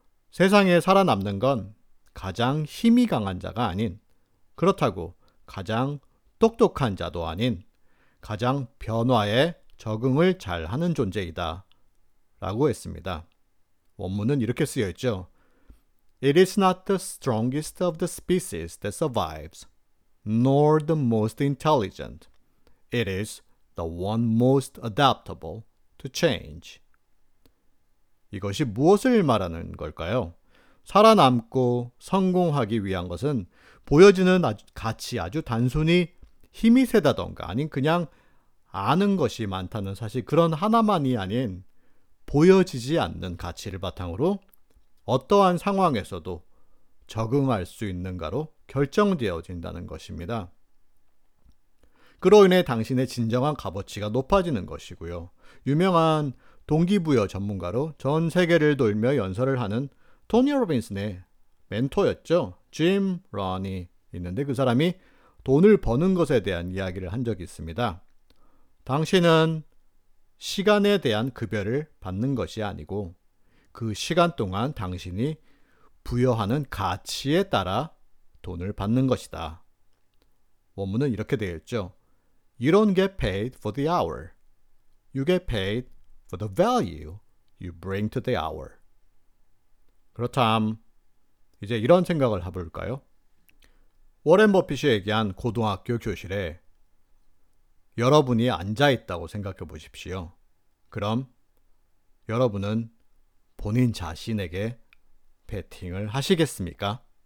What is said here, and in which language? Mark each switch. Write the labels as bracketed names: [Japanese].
[Korean] 세상에 살아남는 건 가장 힘이 강한 자가 아닌, 그렇다고 가장 똑똑한 자도 아닌, 가장 변화에 적응을 잘하는 존재이다 라고 했습니다. 원문은 이렇게 쓰여 있죠. [English] It is not the strongest of the species that survives, nor the most intelligent. It is the one most adaptable to change. [Korean] 이것이 무엇을 말하는 걸까요? 살아남고 성공하기 위한 것은 보여지는 가치 아주 단순히 힘이 세다던가 아닌 그냥 아는 것이 많다는 사실 그런 하나만이 아닌 보여지지 않는 가치를 바탕으로 어떠한 상황에서도 적응할 수 있는가로 결정되어진다는 것입니다. 그로 인해 당신의 진정한 값어치가 높아지는 것이고요. 유명한 동기부여 전문가로 전 세계를 돌며 연설을 하는 토니 로빈슨의 멘토였죠. 짐 런이 있는데 그 사람이 돈을 버는 것에 대한 이야기를 한 적이 있습니다. 당신은 시간에 대한 급여를 받는 것이 아니고 그 시간 동안 당신이 부여하는 가치에 따라 돈을 받는 것이다. 원문은 이렇게 되어 있죠. [English] You don't get paid for the hour. You get paid for the value you bring to the hour. [Korean] 그렇다면 이제 이런 생각을 해볼까요? 워렌 버핏이 얘기한 고등학교 교실에 여러분이 앉아있다고 생각해 보십시오. 그럼 여러분은 본인 자신에게 배팅을 하시겠습니까?